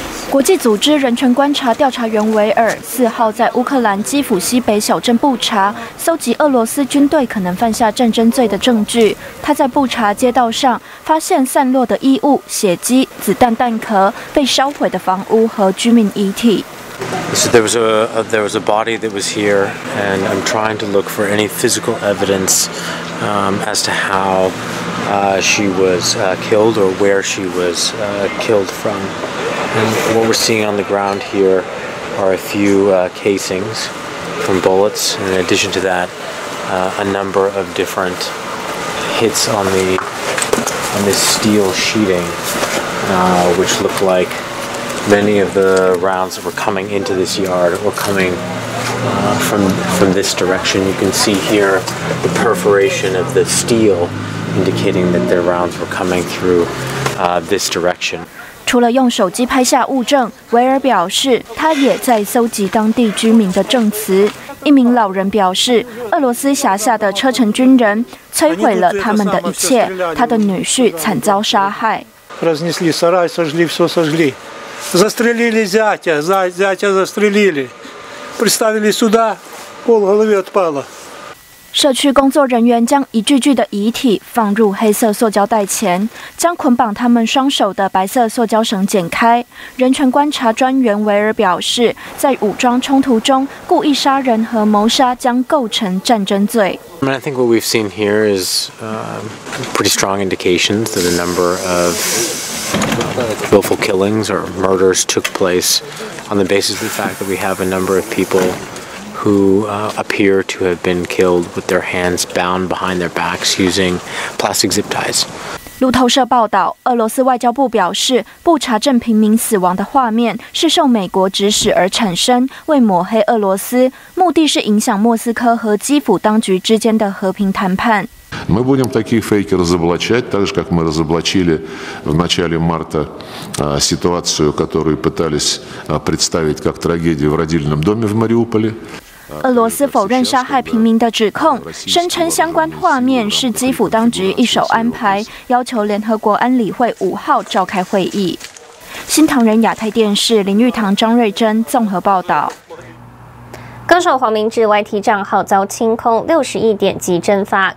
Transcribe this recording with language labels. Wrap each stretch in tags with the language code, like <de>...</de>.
<zh>国际组织人权观察调查员维尔4号在乌克兰基辅西北小镇布查，搜集俄罗斯军队可能犯下战争罪的证据。他在布查街道上发现散落的衣物、血迹、子弹弹壳、被烧毁的房屋和居民遗体。</zh> <en>So there was a body that was here, and I'm trying to look for any physical evidence, as to how, she was, killed or where she was, killed from. And what we're seeing on the ground here are a few, casings from bullets. In addition to that, a number of different hits on this steel sheeting, which look like. Many of the rounds that were coming into this yard were coming from this direction. You can see here the perforation of the steel indicating that their rounds were coming through this direction.</en> <zh>除了用手机拍下物证，维尔表示他也在搜集当地居民的证词。一名老人表示，俄罗斯辖下的车臣军人摧毁了他们的一切，他的女婿惨遭杀害。</zh> <ru>Разнесли сарай, сожгли все, сожгли. Застрелили зятя, зятя застрелили. Приставили сюда, пол головы отпало.</ru> <zh>社区工作人员将一具具的遗体放入黑色塑胶袋前，将捆绑他们双手的白色塑胶绳剪开。人权观察专员维尔表示，在武装冲突中故意杀人和谋杀将构成战争罪。</zh> <en>I mean, I think what we've seen here is pretty strong indications that a number of willful killings or murders took place on the basis of the fact that we have a number of people who appear to have been killed with their hands bound behind their backs using plastic zip ties.</en> <zh>路透社报道，俄罗斯外交部表示，布查镇平民死亡的画面是受美国指使而产生，为抹黑俄罗斯，目的是影响莫斯科和基辅当局之间的和平谈判。</zh> <ru>Мы будем такие фейки разоблачать, так же, как мы разоблачили в начале марта ситуацию, которую пытались представить как трагедию в родильном доме в Мариуполе.</ru> <zh>俄罗斯否认杀害平民的指控，声称相关画面是基辅当局一手安排，要求联合国安理会5号召开会议。新唐人亚太电视林玉堂、张瑞珍综合报道。歌手黄明志 YT 账号遭清空，61点击蒸发。</zh>